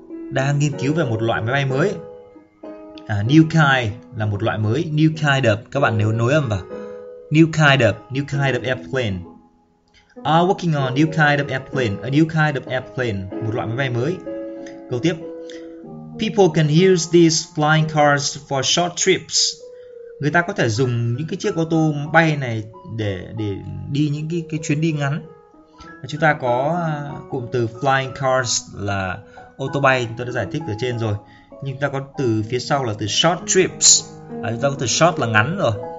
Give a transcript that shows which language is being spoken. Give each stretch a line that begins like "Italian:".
Vietnamese: Đang nghiên cứu về một loại máy bay mới. New kind là một loại mới.
English: New kind of,
Vietnamese: các bạn nếu nối âm vào.
English: New kind of airplane. Are working on a new kind of airplane. A new kind of airplane,
Vietnamese: một loại máy bay mới. Câu tiếp.
English: People can use these flying cars for short trips.
Vietnamese: Người ta có thể dùng những cái chiếc ô tô bay này để đi những cái chuyến đi ngắn. Chúng ta có cụm từ flying cars là ô tô bay, tôi đã giải thích ở trên rồi. Nhưng ta có từ phía sau là từ short trips. Chúng ta có từ short là ngắn rồi.